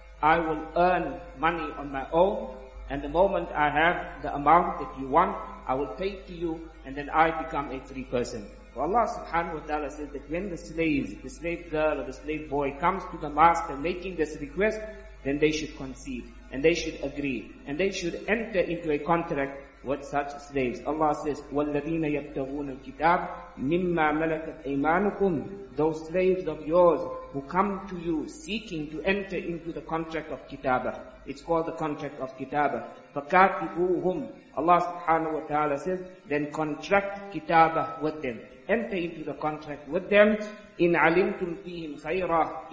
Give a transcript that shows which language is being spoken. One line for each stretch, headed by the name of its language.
English: I will earn money on my own, and the moment I have the amount that you want, I will pay to you, and then I become a free person. So Allah subhanahu wa ta'ala says that when the slave girl or the slave boy comes to the master making this request, then they should concede, and they should agree, and they should enter into a contract with such slaves.
Arabic: Allah says, وَالَّذِينَ يَبْتَغُونَ الْكِتَابِ مِمَّا مَلَكَتْ أَيْمَانُكُمْ.
English: Those slaves of yours who come to you seeking to enter into the contract of Kitabah. It's called the contract of Kitabah.
Arabic: فَكَاتِبُوهُمْ.
English: Allah subhanahu wa ta'ala says, then contract Kitabah with them. Enter into the contract with them.
Arabic: إِنْ عَلِمْتُمْ فِيهِمْ خَيْرًا.